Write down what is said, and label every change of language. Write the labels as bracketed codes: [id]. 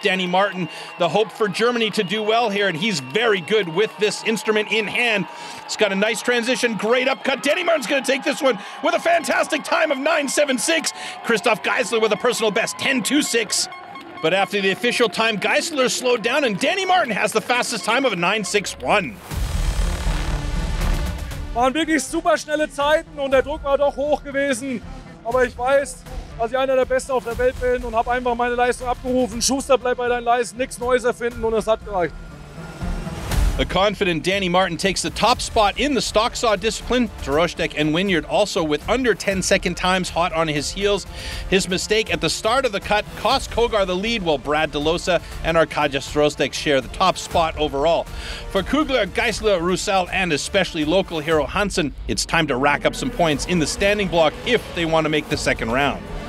[en] Danny Martin, the hope for Germany to do well here, and he's very good with this instrument in hand. It's got a nice transition, great upcut. Danny Martin's going to take this one with a fantastic time of 9:76. Christoph Geisler with a personal best, 10:26. But after the official time, Geisler slowed down and Danny Martin has the fastest time of a 9:61. [de] Waren wirklich super schnelle Zeiten und der Druck war doch hoch gewesen. Aber ich weiß, dass ich einer der Besten auf der Welt bin und habe einfach meine Leistung abgerufen. Schuster, bleib bei deinen Leisten, nichts Neues erfinden und es hat gereicht. [en] The confident Danny Martin takes the top spot in the Stocksaw discipline. Drozdek and Wynyard also with under 10 second times hot on his heels. His mistake at the start of the cut cost Kogar the lead, while Brad DeLosa and Arkadiusz Drozdek share the top spot overall. For Kugler, Geisler, Roussel, and especially local hero Hansen, it's time to rack up some points in the standing block if they want to make the second round.